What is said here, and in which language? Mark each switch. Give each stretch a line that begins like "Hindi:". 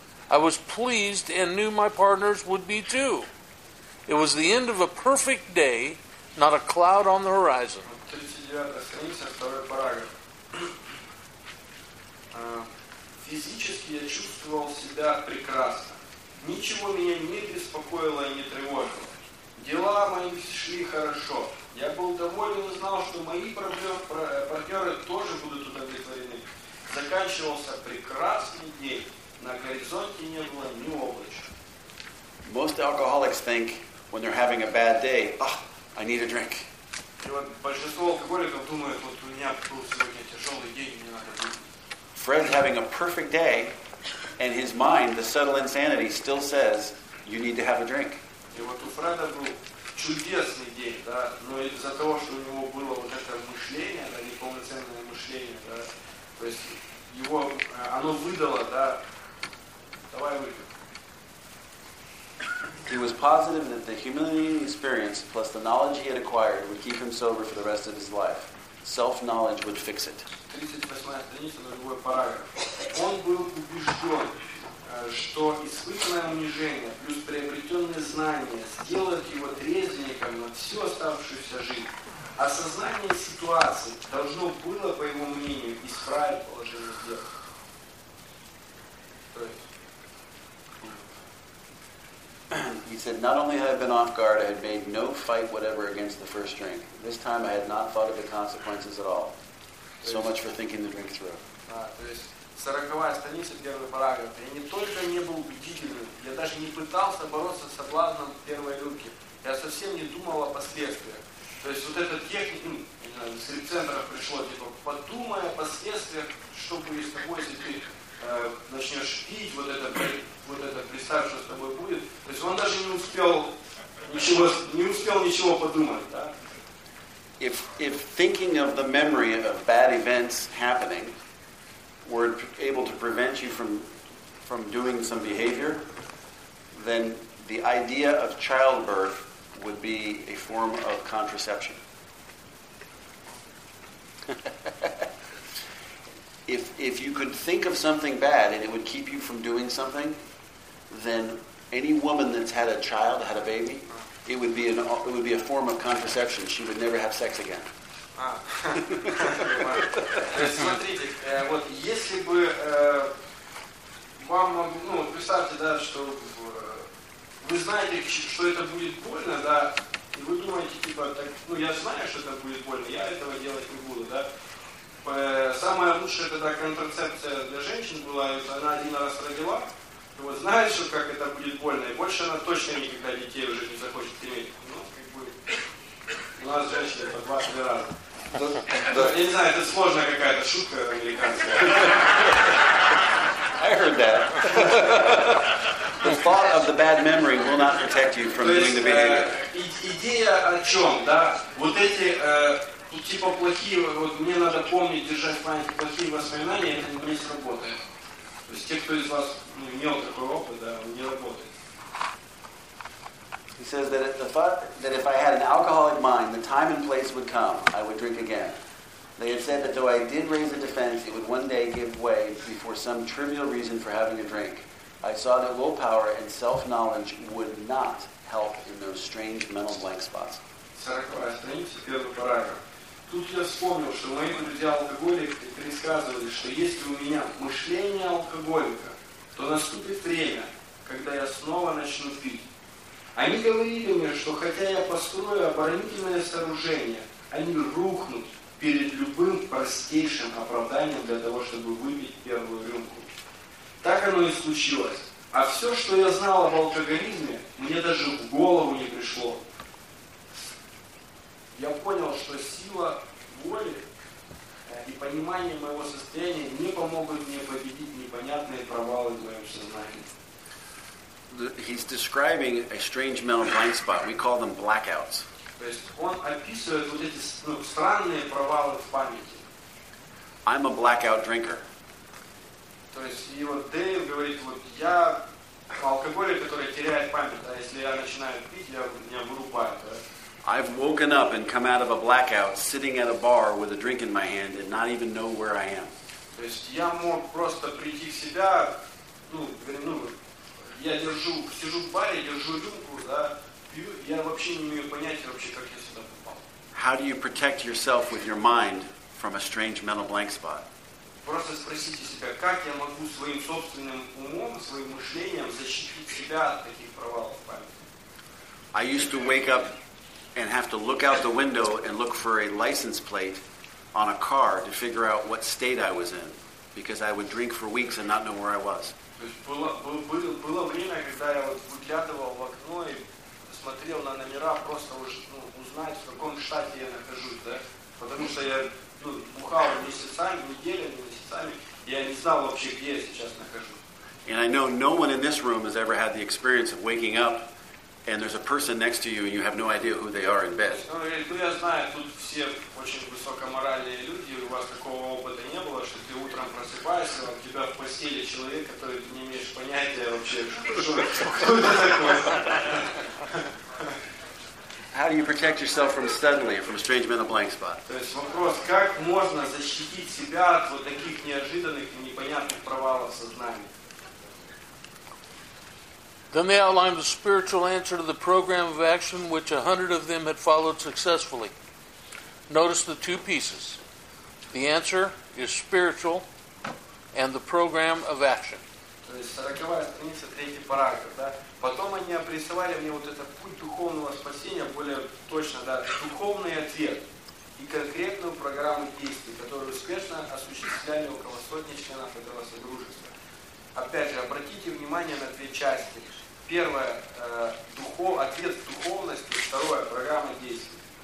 English: I was pleased and knew my partners would be too. It was the end of a perfect day, not a cloud on the horizon.
Russian: 39-я страница, 2-й параграф. Физически я чувствовал себя прекрасно. Ничего меня не беспокоило и не тревожило. Дела мои шли хорошо. Я был доволен и знал, что мои партнеры тоже будут удовлетворены. Заканчивался прекрасный день. На горизонте не было ни облачка.
English: Most alcoholics think, when they're having a bad day, ah, I need a drink.
Russian: И вот большинство алкоголиков думают, вот у меня был сегодня тяжелый день, мне надо пить.
English: Фред having a perfect day, and his mind, the subtle insanity, still says, you need to have a drink.
Russian: И вот у Фреда был чудесный день, да, но из-за того, что у него было вот это мышление, да, неполноценное мышление, да, то есть его, оно выдало, да, давай выпьем.
English: He was positive that the humiliating experience plus the knowledge he had acquired would keep him sober for the rest of his life. Self-knowledge would fix it.
Russian: 38-я страница, на другой параграф. Он был убежден, что испытанное унижение плюс приобретенные знания сделают его трезвенником на всю оставшуюся жизнь. Осознание ситуации должно было, по его мнению, исправить положение дел. То есть,
English: he said, not only had I been off guard, I had made no fight whatever against the first drink. This time I had not thought of the consequences at all. So much for thinking the drink through.
Russian: Сороковая страница, первый параграф. Я не только не был убедительным, я даже не пытался бороться с соблазном первой рюмки. Я совсем не думал о последствиях. То есть вот этот техник, ну, с рецептора пришло, типа, подумай о последствиях, что будет с тобой, если ты начнешь пить, вот это представь, что с тобой будет. То есть он даже не успел ничего подумать. Да?
English: If thinking of the memory of bad events happening were able to prevent you from doing some behavior, then the idea of childbirth would be a form of contraception. If you could think of something bad and it would keep you from doing something, then any woman that's had a child, had a baby, it would be a form of contraception. She would never have sex again.
Russian: То есть смотрите, вот если бы вам, ну представьте, да, что вы знаете, что это будет больно, да, и вы думаете, типа, так, ну я знаю, что это будет больно, я этого делать не буду, да. Самая лучшая тогда контрацепция для женщин была, она один раз родила, и вот знает, что как это будет больно, и больше она точно никогда детей уже не захочет иметь. Ну, как бы, у нас женщины по 2-3 раза. Я не знаю, это сложная какая-то шутка американская.
English: I heard that. The thought of the bad memory will not protect you from doing the behavior.
Russian: Идея о чем, да? Вот эти типа плохие, вот мне надо помнить, держать в памяти плохие воспоминания, это не сработает. То есть те, кто из вас имел такой опыт, да, он не работает.
English: He says that the thought that if I had an alcoholic mind, the time and place would come, I would drink again. They had said that though I did raise a defense, it would one day give way before some trivial reason for having a drink. I saw that willpower and self-knowledge would not help in those strange mental blank spots.
Russian: 40-я страница, 1-й параграф. Тут я вспомнил, что мои друзья-алкоголики предсказывали, что если у меня мышление алкоголика, то наступит время, когда я снова начну пить. Они говорили мне, что хотя я построю оборонительное сооружение, они рухнут перед любым простейшим оправданием для того, чтобы выпить первую рюмку. Так оно и случилось. А все, что я знал об алкоголизме, мне даже в голову не пришло. Я понял, что сила воли и понимание моего состояния не помогут мне победить непонятные провалы в моем сознании.
English: He's describing a strange mental blind spot. We call them blackouts.
Russian: То есть он описывает вот эти странные провалы в памяти.
English: I'm a blackout drinker.
Russian: То есть и вот Дэйв говорит, вот я алкоголик, который теряет память, а если я начинаю пить, я меня вырубают.
English: I've woken up and come out of a blackout sitting at a bar with a drink in my hand and not even know where I am.
Russian: То есть я мог просто прийти в себя, сижу в баре, держу рюмку, да, пью, я вообще не имею понятия вообще, как я сюда попал.
English: How do you protect yourself with your mind from a strange mental blank spot?
Russian: Просто спросите себя, как я могу своим собственным умом, своим мышлением защитить себя от таких провалов в памяти?
English: I used to wake up and have to look out the window and look for a license plate on a car to figure out what state I was in, because I would drink for weeks and not know where I was.
Russian: Было время, когда я выглядывал в окно и смотрел на номера, просто узнать, в каком штате я нахожусь, да? Потому что я бухал неделями, я не знал вообще, где я сейчас нахожусь.
English: And I know no one in this room has ever had the experience of waking up and there's a person next to you and you have no idea who they are in bed.
Russian: Ну, я знаю, тут все очень высокоморальные люди, у вас такого опыта не было, что ты утром просыпаешься, а у тебя в постели человек, который ты не имеешь понятия вообще, кто это такой.
English: How do you protect yourself from suddenly, from a strange mental blank spot?
Russian: То есть вопрос, как можно защитить себя от вот таких неожиданных и непонятных провалов сознания?
English: Then they outlined the spiritual answer to the program of action which 100 of them had followed successfully. Notice the two pieces. The answer is spiritual and the program of action.
Russian: То есть 40-я страница, третий параграф, да? Потом они обрисовали мне вот этот путь духовного спасения более точно, да, духовный ответ и конкретную программу действий, которую успешно осуществляли около сотни членов этого содружества. Опять же, обратите внимание на две части. Первое, ответ в духовности, второе, программа действий.